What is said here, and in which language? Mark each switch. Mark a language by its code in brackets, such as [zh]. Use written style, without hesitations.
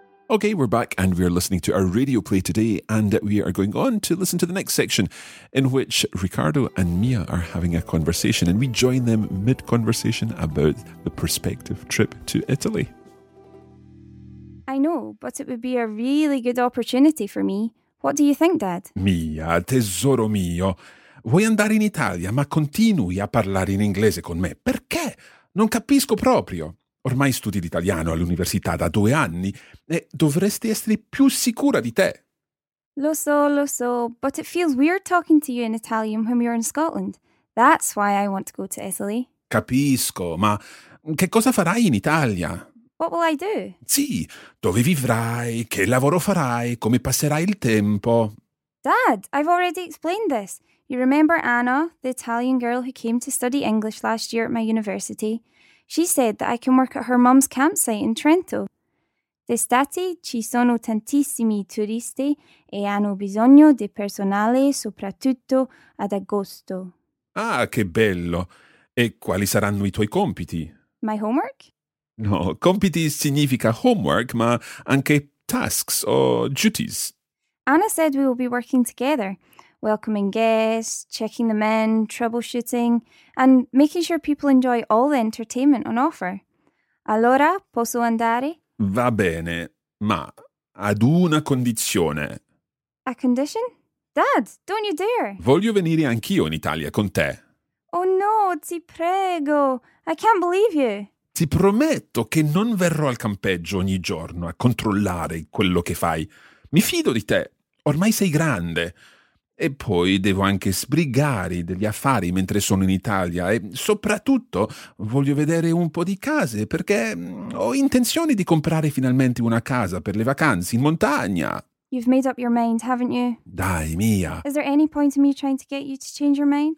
[en] Okay, we're back and we're listening to our radio play today and we are going on to listen to the next section in which Riccardo and Mia are having a conversation and we join them mid-conversation about the prospective trip to Italy. I know, but it would be a really good opportunity for me. What do you think, Dad? [it] Mia, tesoro mio, vuoi andare in Italia ma continui a parlare in inglese con me? Perché? Non capisco proprio. Ormai studi l'italiano all'università da 2 anni e dovresti essere più sicura di te. Lo so, [en] but it feels weird talking to you in Italian when you're in Scotland. That's why I want to go to Italy. [it] Capisco, ma che cosa farai in Italia? [en] What will I do? [it] Sì, dove vivrai, che lavoro farai, come passerai il tempo? [en] Dad, I've already explained this. You remember Anna, the Italian girl who came to study English last year at my university? She said that I can work at her mum's campsite in Trento. [it] D'estate ci sono tantissimi turisti e hanno bisogno di personale soprattutto ad agosto. Ah, che bello! E quali saranno i tuoi compiti? [en] My homework? [it] No, compiti significa homework, ma anche tasks o duties. [en] Anna said we will be working together, welcoming guests, checking them in, troubleshooting, and making sure people enjoy all the entertainment on offer. [it] Allora, posso andare? Va bene, ma ad una condizione. [en] A condition? Dad, don't you dare! [it] Voglio venire anch'io in Italia con te. [en] Oh no, [it] ti prego! [en] I can't believe you! [it] Ti prometto che non verrò al campeggio ogni giorno a controllare quello che fai. Mi fido di te. Ormai sei grande. E poi devo anche sbrigare degli affari mentre sono in Italia. E soprattutto voglio vedere un po' di case, perché ho intenzione di comprare finalmente una casa per le vacanze in montagna. [en] You've made up your mind, haven't you? [it] Dai, Mia. [en] Is there any point in me trying to get you to change your mind?